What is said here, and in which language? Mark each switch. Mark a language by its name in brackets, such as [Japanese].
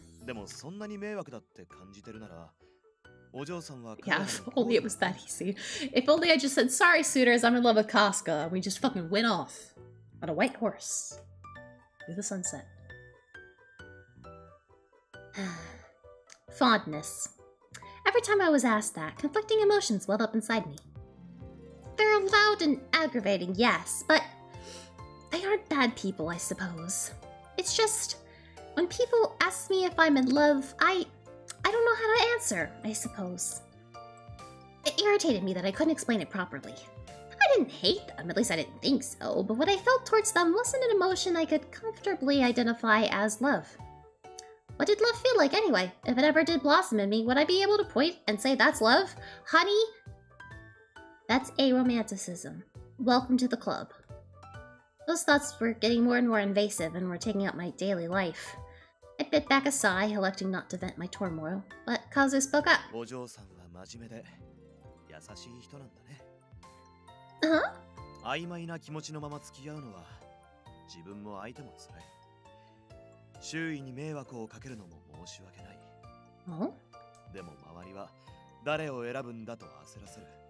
[Japanese] でもそんなに迷惑だって感じてるなら、お嬢さんは。 [English] Yeah, if only it was that easy. If only I just said sorry, suitors, I'm in love with Casca. We just fucking went off on a white horse through the sunset. Fondness. Every time I was asked that, conflicting emotions welled up inside me. They're loud and aggravating, yes, but they aren't bad people, I suppose. It's just. When people ask me if I'm in love, I don't know how to answer, I suppose. It irritated me that I couldn't explain it properly. I didn't hate them, at least I didn't think so, but what I felt towards them wasn't an emotion I could comfortably identify as love. What did love feel like anyway? If it ever did blossom in me, would I be able to point and say that's love? Honey? That's aromanticism. Welcome to the club. Those thoughts were getting more and more invasive and were taking up my daily life. I bit back a sigh, electing not to vent my turmoil, but Kazu spoke up. [Japanese] お嬢さんは真面目で優しい人なんだね。 [English] Uh-huh? [Japanese] 曖昧な気持ちのまま付き合うのは自分も相手も辛い。周囲に迷惑をかけるのも申し訳ない。でも周りは誰を選ぶんだと焦らせる。